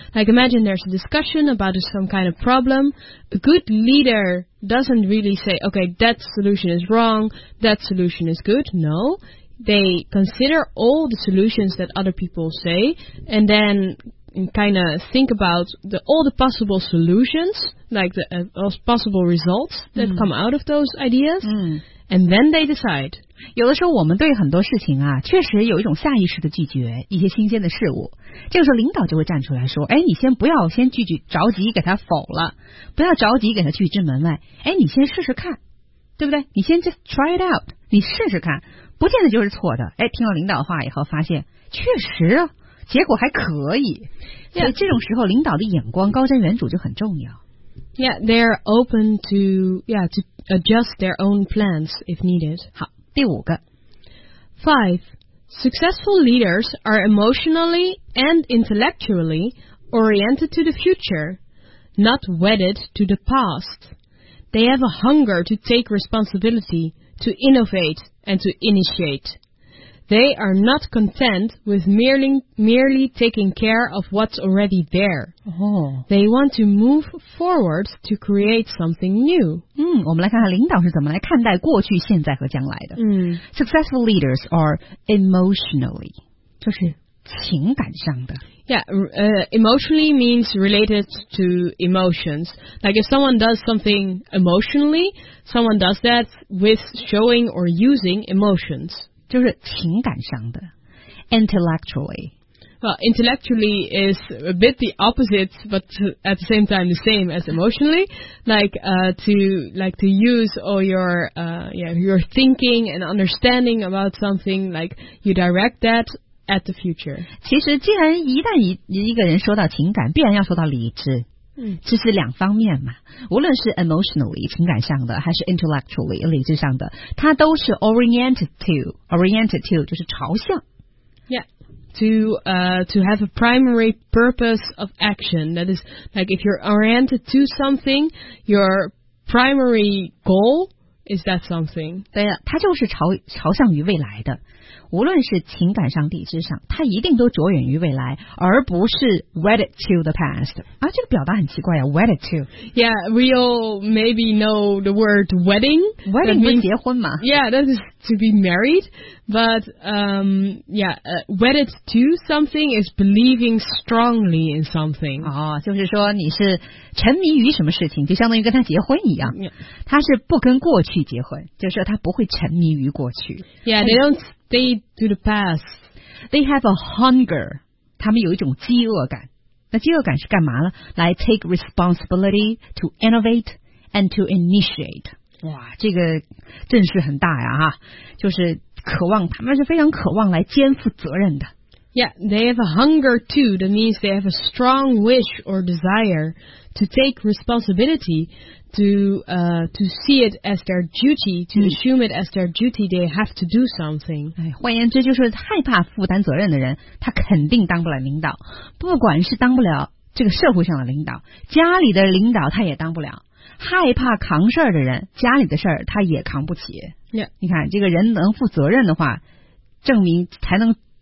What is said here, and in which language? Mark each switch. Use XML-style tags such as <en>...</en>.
<en>Like, imagine there's a discussion about some kind of problem. A good leader doesn't really say, okay, that solution is wrong, that solution is good. No, they consider all the solutions that other people say, and then kind of think about all the possible solutions, like those possible results that come out of those ideas, and then they decide.</en> <zh>有的时候我们对很多事情啊，确实有一种下意识的拒绝一些新鲜的事物。这个时候领导就会站出来说，哎，你先不要先拒绝，着急给他否了，不要着急给他拒之门外。哎，你先试试看，对不对？你先</zh> <en>just try it out，</en> <zh>你试试看，不见得就是错的。哎，听了领导话以后发现确实啊。结果还可以，所以这种时候领导的眼光高瞻远瞩就很重要。</zh> <en>Yeah, they're open to to adjust their own plans if needed.</en> <zh>好，第五个</zh> <en>，5. Successful leaders are emotionally and intellectually oriented to the future, not wedded to the past. They have a hunger to take responsibility, to innovate, and to initiate. They are not content with merely taking care of what's already there. They want to move forward to create something new.</en> <zh>我们来看看领导是怎么来看待过去、现在和将来的。</zh> <en>Successful leaders are emotionally,</en> <zh>就是情感上的。</zh> <en>Yeah, emotionally means related to emotions. Like if someone does something emotionally, someone does that with showing or using emotions.</en> <zh>就是情感上的 intellectually.</zh> <en>Well, intellectually is a bit the opposite, but at the same time the same as emotionally. Like to use all your thinking and understanding about something, like you direct that at the future.</en> <zh>其实既然一旦一个人说到情感，必然要说到理智。这是两方面嘛，无论是 emotionally 情感上的，还是 intellectually 理智上的，它都是 oriented to 就是朝向。</zh> <en>Yeah, to have a primary purpose of action. That is like if you're oriented to something, your primary goal is that something.</en> <zh>对啊，它就是朝向于未来的，无论是情感上、理智上，它一定都着眼于未来，而不是</zh> <en>wedded to the past。</en> <zh>啊，这个表达很奇怪呀 ，</zh> <en>wedded to。 Yeah, we all maybe know the word wedding.</en> <zh>Wedding 不是结婚嘛</zh> <en>？Yeah, that is to be married. But wedded to something is believing strongly in something.</en> <zh>哦，就是说你是沉迷于什么事情，就相当于跟他结婚一样。</zh> <en>Yeah.</en> <zh>他是不跟过去结婚，就是说他不会沉迷于过去。</zh> <en>Yeah, they don't stay to the past. They have a hunger.</en> <zh>他们有一种饥饿感。那饥饿感是干嘛呢？</zh> <en>来 take responsibility to innovate and to initiate.</en> <zh>哇，这个阵势很大呀，就是渴望，他们是非常渴望来肩负责任的。</zh> <en>Yeah, they have a hunger too. That means they have a strong wish or desire to take responsibility, to see it as their duty, to assume it as their duty. They have to do something.</en> <zh>哎，换言之，就是害怕负担责任的人，他肯定当不了领导。不管是当不了这个社会上的领导，家里的领导他也当不了。害怕扛事儿的人，家里的事儿他也扛不起。</zh> <en>Yeah.</en> <zh>你看，这个人能负责任的话，证明才能。</zh>